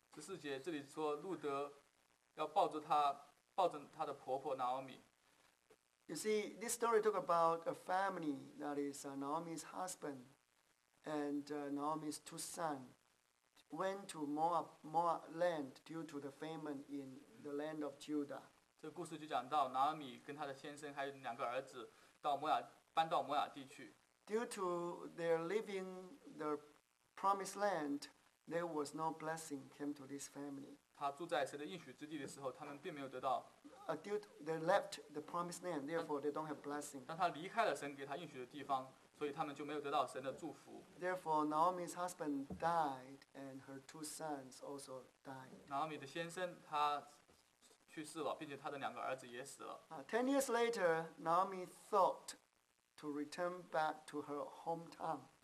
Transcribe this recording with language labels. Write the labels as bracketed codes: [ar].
[zh] 十四节这里说路德要抱着她，抱着她的婆婆 Naomi. [en] You see, this story talk about a family that is Naomi's husband and Naomi's two sons went to Moab land due to the famine in the land of Judah. [zh] 这故事就讲到 Naomi 跟她的先生还有两个儿子到摩亚。搬到摩亚地去。 [en] Due to their leaving the promised land, there was no blessing came to this family. [zh] 他住在神的应许之地的时候，他们并没有得到 [en] they left the promised land, therefore they don't have blessing. [zh] 当他离开了神给他应许的地方, 所以他们就没有得到神的祝福。 [en] Therefore, Naomi's husband died, and her two sons also died. [zh] Naomi的先生他去世了，并且他的两个儿子也死了。 [en] 10 years later, Naomi thought to return back to her hometown.